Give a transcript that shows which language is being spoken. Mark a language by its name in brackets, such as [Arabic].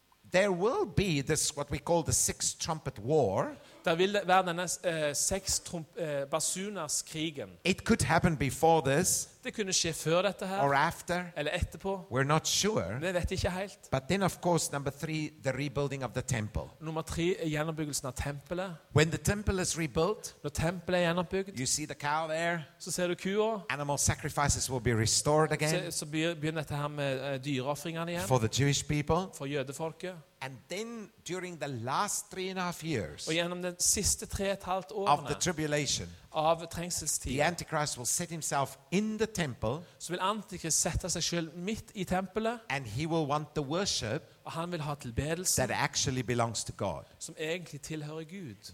[English] There will be this what we call the sixth trumpet war. [Norwegian] Da vil det være denne seks basuners krigen. [English] It could happen before this. [Norwegian] Det kunne skje før dette her. [English] Or after. [Norwegian] Eller etterpå. [English] We're not sure. [Norwegian] Vi vet ikke helt. [English] But then of course number 3 the rebuilding of the temple. [Norwegian] Nummer 3 gjenoppbyggelsen av tempelet. [English] When the temple is rebuilt. [Norwegian] Når tempelet gjenoppbygd. [English] You see the cow there. [Norwegian] Så ser du kua. [English] Animal sacrifices will be restored again. [Norwegian] Så begynner dette her med dyreofringene igjen. [English] For the Jewish people. [Norwegian] For jødefolket. [English] And then during the last 3.5 years [Norwegian] og gjennom den siste 3.5 årene [English] of the tribulation [Norwegian] av trengselstiden [English] the Antichrist will set himself in the temple [Norwegian] så vil Antichrist sette seg selv midt I tempelet [English] and he will want the worship [Norwegian] og han vil ha tilbedelsen [English] that actually belongs to God [Norwegian] som egentlig tilhører Gud